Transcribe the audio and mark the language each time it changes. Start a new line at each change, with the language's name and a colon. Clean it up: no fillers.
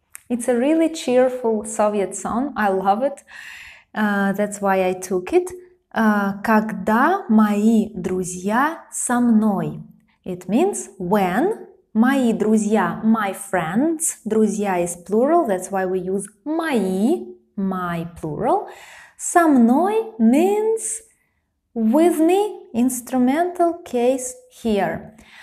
English: It's a really cheerful Soviet song. I love it. That's why I took it.
Russian: Когда мои друзья со мной.
English: It means when мои друзья, my friends, друзья is plural, that's why we use мои, my plural. Со мной means with me, instrumental case here.